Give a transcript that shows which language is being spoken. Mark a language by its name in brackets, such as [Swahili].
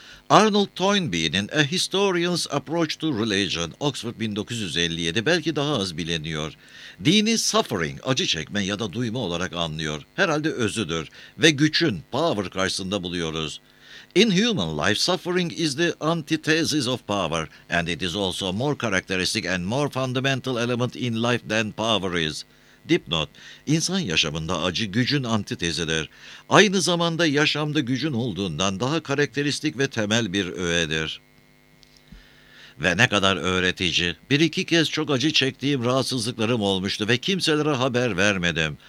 [Turkish] Arnold Toynbee'nin A Historian's Approach to Religion, Oxford 1957, belki daha az biliniyor. Dini suffering, acı çekme ya da duyma olarak anlıyor. Herhalde özüdür ve gücün, power karşısında buluyoruz. [English] In human life, suffering is the antithesis of power, and it is also more characteristic and more fundamental element in life than power is. [Turkish] Dipnot, insan yaşamında acı gücün antitezidir. Aynı zamanda yaşamda gücün olduğundan daha karakteristik ve temel bir öğedir. Ve ne kadar öğretici. Bir iki kez çok acı çektiğim rahatsızlıklarım olmuştu ve kimselere haber vermedim.